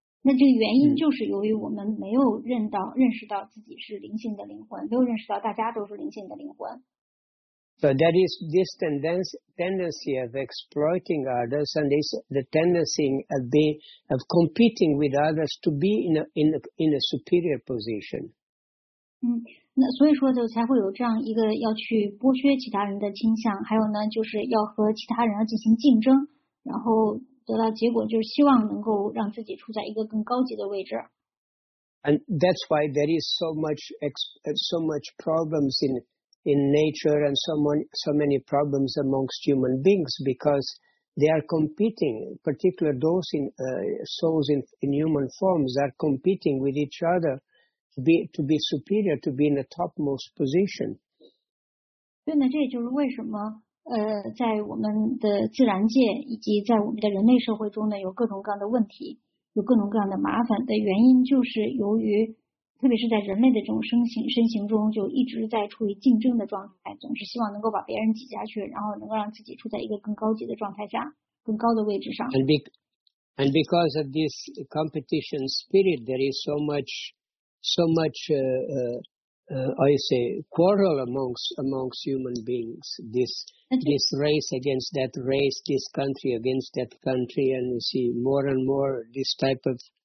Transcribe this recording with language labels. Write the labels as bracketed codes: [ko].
[zh] 那这个原因就是由于我们没有认识到自己是灵性的灵魂，没有认识到大家都是灵性的灵魂。 [en] So that is this tendency of exploiting others, and is the tendency of competing with others to be in a superior position. [zh] 那所以说就才会有这样一个要去剥削其他人的倾向，还有呢就是要和其他人要进行竞争，然后。得到结果就是希望能够让自己处在一个更高级的位置。 [en] And that's why there is so much problems in nature and so many problems amongst human beings because they are competing, particularly those in souls in human forms are competing with each other to be superior, to be in the topmost position. [zh] 对呢，这也就是为什么。在我们的自然界以及在我们的人类社会中呢，有各种各样的问题，有各种各样的麻烦的原因，就是由于，特别是在人类的这种身形中，就一直在处于竞争的状态，总是希望能够把别人挤下去，然后能够让自己处在一个更高级的状态下，更高的位置上。 [en] And because of this competition spirit, there is so much quarrel amongst human beings, this race against that race, this country against that country, and you see more and more this type of